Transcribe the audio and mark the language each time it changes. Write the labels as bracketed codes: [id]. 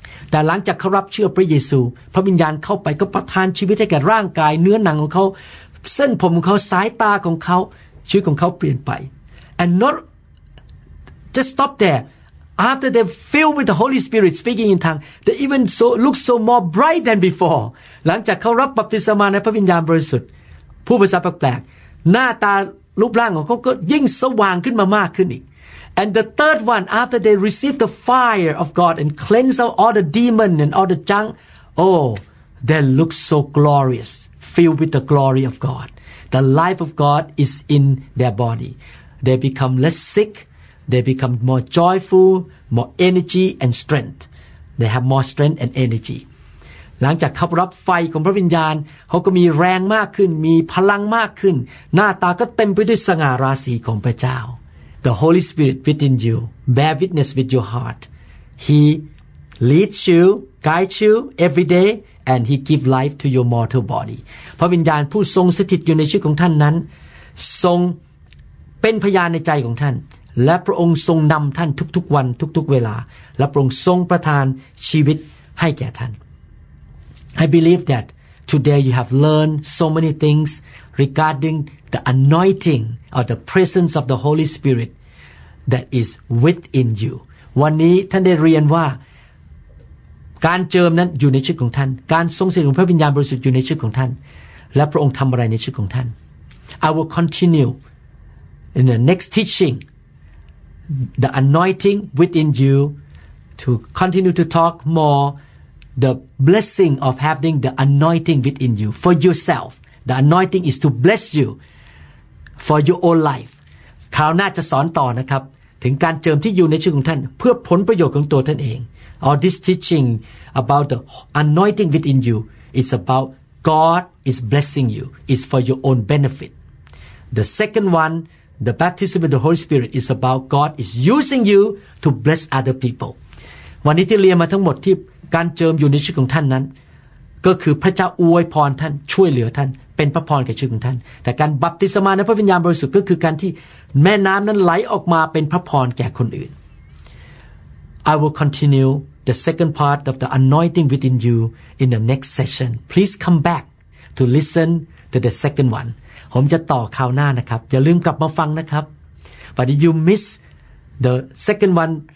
[th] แต่หลังจากเขารับเชื่อพระเยซูพระวิญญาณเข้าไปก็ประทานชีวิตให้แก่ร่างกายเนื้อหนังของเขาเส้นผมของเขาสายตาของเขาชีวิตของเขาเปลี่ยนไป [en] And not just stop thereAfter they're filled with the Holy Spirit speaking in tongues, they even so look so more bright than before. [th] หลังจากเขารับบัพติศมาในพระวิญญาณบริสุทธิ์พูดภาษาแปลกหน้าตารูปร่างของเขาก็ยิ่งสว่างขึ้นมามากขึ้นอีก [en] And the third one, after they receive the fire of God and cleanse out all the demon and all the junk, oh, they look so glorious, filled with the glory of God. The life of God is in their body. They become less sick. They become more joyful, more energy and strength. They have more strength and energy. [th] หลังจากเขารับไฟของพระวิญญาณเขาก็มีแรงมากขึ้นมีพลังมากขึ้นหน้าตาก็เต็มไปด้วยสง่าราศีของพระเจ้า [en] The Holy Spirit within you bear witness with your heart. He leads you, guides you every day, and he gives life to your mortal body. [th] พระวิญญาณผู้ทรงสถิตอยู่ในชีวิตของท่านนั้นทรงเป็นพยานในใจของท่านและพระองค์ทรงนำท่านทุกๆวันทุกๆเวลาและพระองค์ทรงประทานชีวิตให้แก่ท่าน [en] I believe that today you have learned so many things regarding the anointing or the presence of the Holy Spirit that is within you [th] วันนี้ท่านได้เรียนว่าการเจิมนั้นอยู่ในชีวิตของท่านการทรงสถิตของพระวิญญาณบริสุทธิ์อยู่ในชีวิตของท่านและพระองค์ทำอะไรในชีวิตของท่าน [en] I will continue in the next teaching the anointing within you to continue to talk more, the blessing of having the anointing within you for yourself. The anointing is to bless you for your own life. [th] คราวหน้าจะสอนต่อนะครับถึงการเจิมที่อยู่ในชีวิตของท่านเพื่อผลประโยชน์ของตัวท่านเอง [en] All this teaching about the anointing within you is about God is blessing you. It's for your own benefit. The second one, the baptism of the Holy Spirit is about God is using you to bless other people. [th] วันนี้ที่เรียนมาทั้งหมดที่การเจิมอยู่ในชีวิตของท่านนั้นก็คือพระเจ้าอวยพรท่านช่วยเหลือท่านเป็นพระพรแก่ชีวิตของท่านแต่การบัพติศมาในพระวิญญาณบริสุทธิ์ก็คือการที่แม่น้ำนั้นไหลออกมาเป็นพระพรแก่คนอื่น [en] I will continue the second part of the anointing within you in the next session please come back to listen to the second one [th] ผมจะต่อคราวหน้านะครับอย่าลืมกลับมาฟังนะครับ [en] but if you miss the second one